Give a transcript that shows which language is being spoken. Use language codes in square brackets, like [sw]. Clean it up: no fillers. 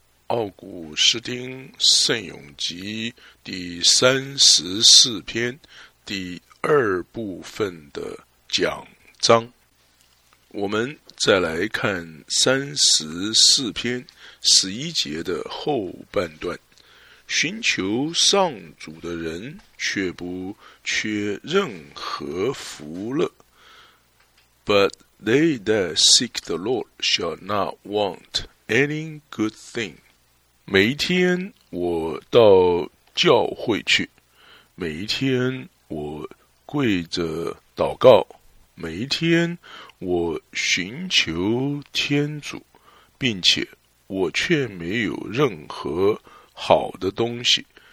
[zh] 奥古斯丁圣咏集第34篇第二部分的讲章。我们再来看34篇11节的后半段，寻求上主的人却不缺任何福乐。 [en] But they that seek the Lord shall not want any good thing。 [zh] 每一天我到教会去，每一天我跪着祷告，每一天我寻求天主，并且我却没有任何好的东西。